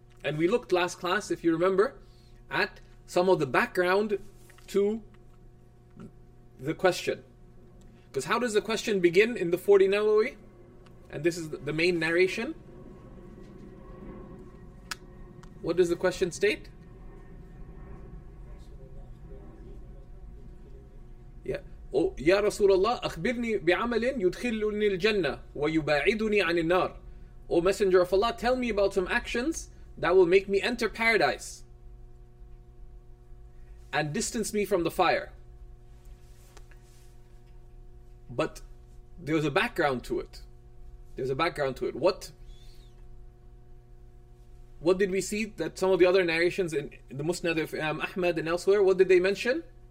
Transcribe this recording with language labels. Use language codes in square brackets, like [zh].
[en] And we looked last class, if you remember, at some of the background to the question. Because how does the question begin in the 40 Nawawi? And this is the main narration. What does the question state? Yeah. [ar] Oh, Ya Rasulullah, أخبرني بعمل يدخلني الجنة ويباعدني عن النار. [en] Oh, Messenger of Allah, tell me about some actions that will make me enter paradise and distance me from the fire. But there's a background to it. There's a background to it. What did we see that some of the other narrations in the Musnad of Imam Ahmad and elsewhere, what did they mention?